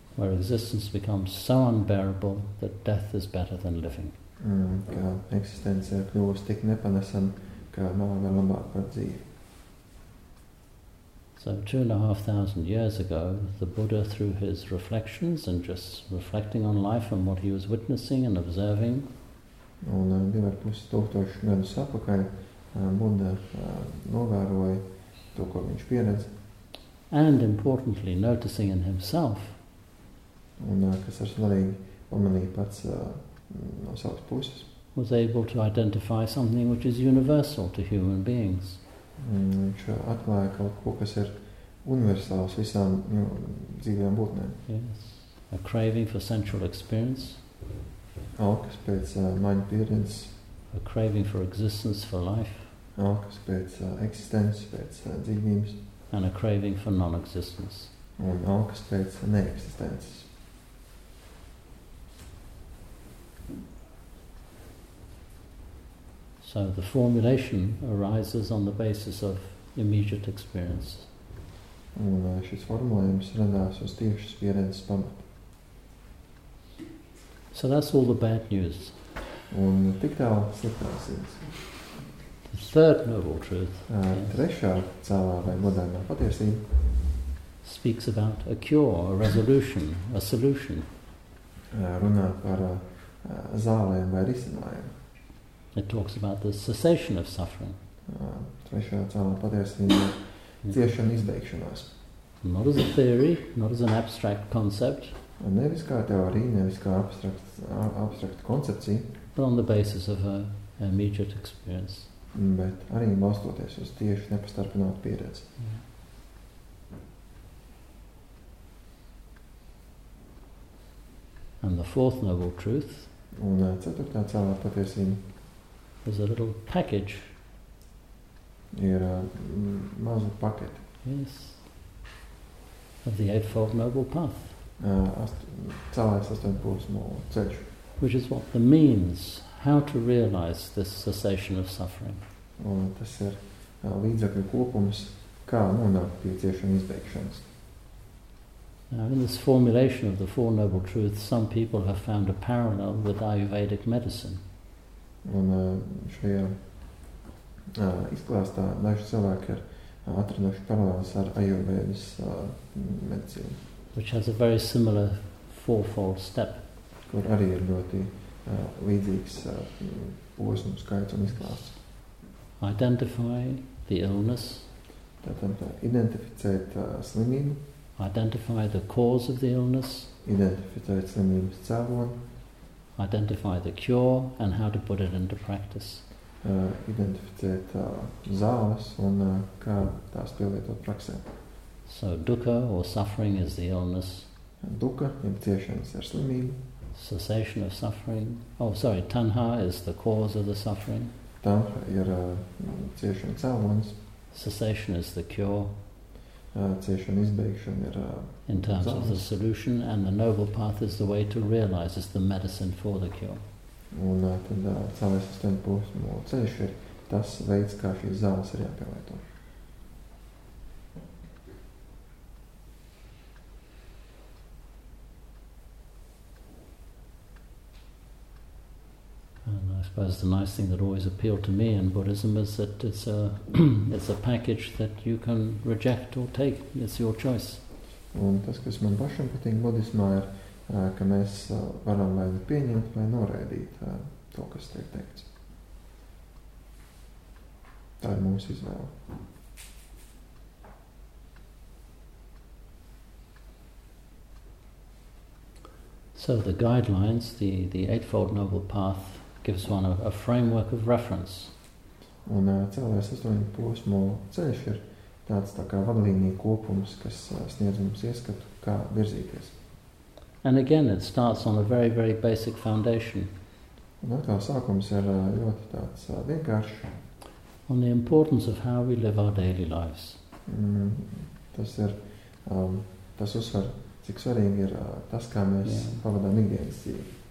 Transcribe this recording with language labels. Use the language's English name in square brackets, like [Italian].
[English] Where existence becomes so unbearable that death is better than living. [Latvian] Ka eksistence ir kļuvusi tik nepanesama, ka nav vēl labāk par dzīvi. [English] So 2,500 years ago, the Buddha, through his reflections and just reflecting on life and what he was witnessing and observing, [Latvian] un 2,500 gadu sapakaļ, Buddha novēroja to, ko viņš pieredz. [English] And importantly, noticing in himself, [Latvian] un kas ir svarīgi pamanīja pats no savas puses, [English] was able to identify something which is universal to human beings. [Latvian] Viņš atklāja kaut ko, kas ir universāls visām dzīvajām būtnēm. [English] Yes. A craving for sensual experience. [Latvian] Alkas pēc maņu pieredzes. [English] A craving for existence, for life. [Latvian] Alkas pēc eksistences, pēc dzīvības. [English] And a craving for non-existence. [Latvian] Un alkas pēc neeksistences. [English] So the formulation arises on the basis of immediate experience. [Latvian] Un šis formulējums radās uz tiešas pieredzes pamata. [English] So that's all the bad news. [Latvian] Un tik tālu sliktās ziņas. [English] The third noble truth. [Latvian] Trešā cēlā vai modernā patiesība. [English] Speaks about a cure, a resolution, a solution. [Latvian] Runā par zālēm vai risinājumu. [English] It talks about the cessation of suffering. [Latvian] Trešā cēlā patiesība ciešanu izbeigšanās. [English] Not as a theory, not as an abstract concept. [Latvian] Nevis kā teorija, nevis kā abstrakta koncepcija. [English] But on the basis of an immediate experience. [Latvian] Bet arī balstoties uz tieši nepastarpinātu pieredzi. [English] Yeah. And the fourth noble truth. [Latvian] Un ceturtā cēlā patiesība. [English] There's a little package. [Latvian] Ir maza pakete. [English] Yes. Of the Eightfold Noble Path. [Latvian] Cēlājas astoņpūsmo ceļš. [English] Which is what the means, how to realize this cessation of suffering. [Latvian] Un tas ir līdzekļu kopums, kā nonākt pie ciešanas izbeigšanas. [English] Now, in this formulation of the Four Noble Truths, some people have found a parallel with Ayurvedic medicine. [Latvian] Un šajā izklāstā daži cilvēki ir atraduši paralēlus ar ajurvēdas medicīnu. [English] Which has a very similar fourfold step. [Latvian] Kur arī ir ļoti līdzīgs posms, skaits un izklāsts. [English] Identify the illness. [Latvian] Tātad identificēt slimību. [English] Identify the cause of the illness. [Latvian] Identificēt slimības cēloni. [English] Identify the cure and how to put it into practice. [Latvian] Identificēt zāles un kā tās pielietot praksē. [English] So dukkha or suffering is the illness. [Latvian] Dukkha, jeb ciešanas ir slimība. [English] Cessation of suffering. Oh, sorry, tanha is the cause of the suffering. [Latvian] Tanha ir ciešanas cēlonis. [English] Cessation is the cure. [Latvian] Ciešanas izbeigšana ir [English] in terms zāles. Of the solution, and the noble path is the way to realize is the medicine for the cure. [Latvian] Un tad cēlājas astoņpūsmo ceļš ir tas veids, kā šīs zāles ir jāpielieto. [English] suppose the nice thing that always appealed to me in Buddhism is that it's a it's a package that you can reject or take. It's your choice. [Latvian] Un tas, kas man pašam patīk budismā, ir, ka mēs varam vai pieņemt vai noraidīt to, kas tiek teikts. Tā ir mūsu izvēle. [English] So the guidelines, the Eightfold Noble Path, gives one a framework of reference. [Latvian] Un cēlējās astoņu posmu ceļš ir tāds tā kā vadlīnija kopums, kas sniedz mums ieskatu, kā virzīties. [English] And again, it starts on a very, very basic foundation. [Latvian] Un atkal sākums ir ļoti tāds vienkāršs. [English] On the importance of how we live our daily lives. [Latvian] Tas ir, tas uzsver, cik svarīgi ir tas, kā mēs pavadām ikdienas dzīvi.